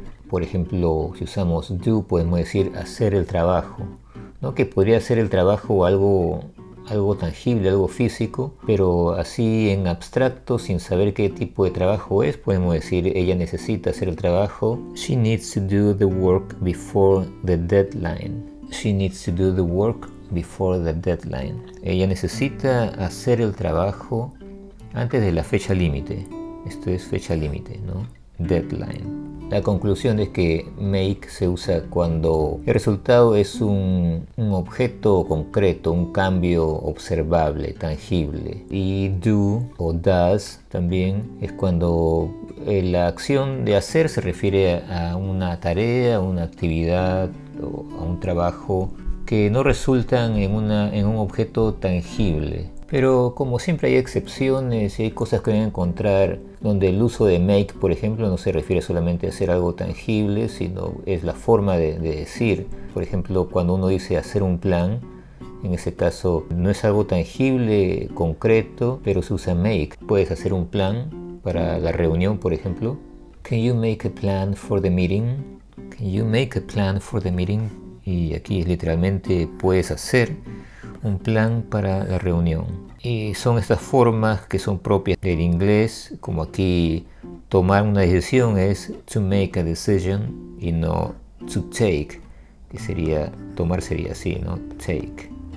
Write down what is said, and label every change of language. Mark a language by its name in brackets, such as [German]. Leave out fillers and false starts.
[Spanish] Por ejemplo, si usamos do, podemos decir hacer el trabajo, ¿no? Que podría ser el trabajo o algo tangible, algo físico, pero así en abstracto, sin saber qué tipo de trabajo es, podemos decir ella necesita hacer el trabajo. [English] She needs to do the work before the deadline. She needs to do the work before the deadline. [Spanish] Ella necesita hacer el trabajo antes de la fecha límite. Esto es fecha límite, ¿no? Deadline. La conclusión es que make se usa cuando el resultado es un objeto concreto, un cambio observable, tangible. Y do o does también es cuando la acción de hacer se refiere a una tarea, a una actividad o a un trabajo que no resultan en un objeto tangible. Pero como siempre hay excepciones y hay cosas que voy a encontrar donde el uso de make, por ejemplo, no se refiere solamente a hacer algo tangible, sino es la forma de decir. Por ejemplo, cuando uno dice hacer un plan, en ese caso no es algo tangible, concreto, pero se usa make. Puedes hacer un plan para la reunión, por ejemplo. [English] Can you make a plan for the meeting? Can you make a plan for the meeting? [Spanish] Y aquí es literalmente puedes hacer un plan para la reunión. Y son estas formas que son propias del inglés, como aquí tomar una decisión es [English] to make a decision [Spanish] y no to take, que sería tomar sería así, ¿no? Take.